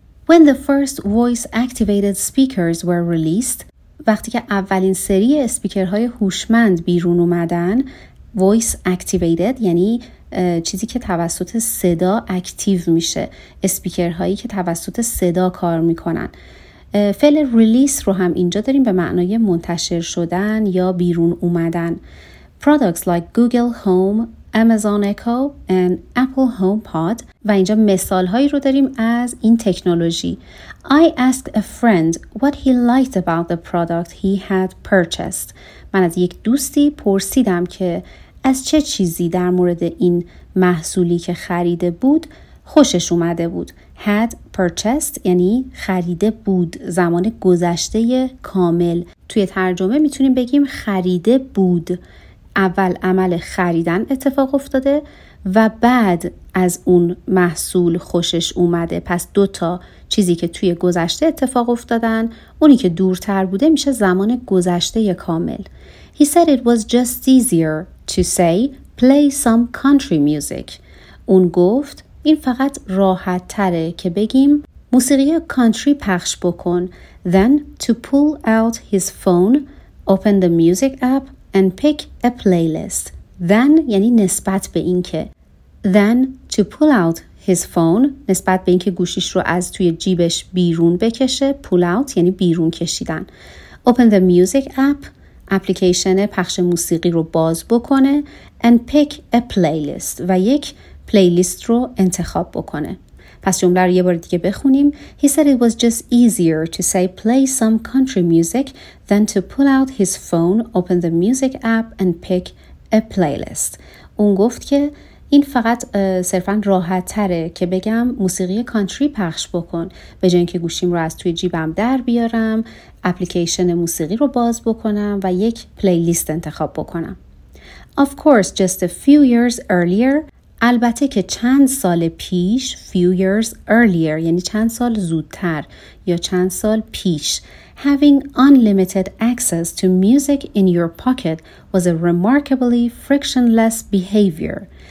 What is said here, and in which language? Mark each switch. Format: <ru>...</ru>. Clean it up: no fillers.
<en>When the first voice-activated speakers were released،</en> <fa>وقتی که اولین سری اسپیکرهای هوشمند بیرون اومدن، voice activated یعنی چیزی که توسط صدا اکتیو میشه، اسپیکرهایی که توسط صدا کار میکنن. فعل release رو هم اینجا داریم به معنای منتشر شدن یا بیرون اومدن.</fa> <en>Products like Google Home، Amazon Echo and Apple HomePod</en> <fa>و اینجا مثال‌هایی رو داریم از این تکنولوژی.</fa> <en>I asked a friend what he liked about the product he had purchased.</en> <fa>من از یک دوستی پرسیدم که از چه چیزی در مورد این محصولی که خریده بود خوشش اومده بود. Had purchased یعنی خریده بود، زمان گذشته کامل. توی ترجمه میتونیم بگیم خریده بود. اول عمل خریدن اتفاق افتاده و بعد از اون محصول خوشش اومده. پس دوتا چیزی که توی گذشته اتفاق افتادن، اونی که دورتر بوده میشه زمان گذشته کامل.</fa> <en>He said it was just easier to say play some country music.</en> <fa>اون گفت این فقط راحت تره که بگیم موسیقی کانتری پخش بکن.</fa> <en>Then to pull out his phone, open the music app and pick a playlist.</en> <fa>Then یعنی نسبت به این که.</fa> <en>Then to pull out his phone،</en> <fa>نسبت به این که گوشیش رو از توی جیبش بیرون بکشه. Pull out یعنی بیرون کشیدن.</fa> <en>Open the music app،</en> <fa>اپلیکیشن پخش موسیقی رو باز بکنه.</fa> <en>And pick a playlist،</en> <fa>و یک پلیلیست رو انتخاب بکنه. پس جمله رو یه بار دیگه بخونیم.</fa> <en>He said it was just easier to say play some country music than to pull out his phone, open the music app and pick a playlist.</en> <fa>اون گفت که این فقط صرفا راحت تره که بگم موسیقی کانتری پخش بکن، به جای اینکه گوشیم رو از توی جیبم در بیارم، اپلیکیشن موسیقی رو باز بکنم و یک پلیلیست انتخاب بکنم.</fa> <en>Of course, just a few years earlier،</en> <fa>البته که چند سال پیش،</fa> <en>few years earlier</en> <fa>یعنی چند سال زودتر یا چند سال پیش،</fa> <en>having unlimited access to music in your pocket was a remarkably frictionless behavior.</en>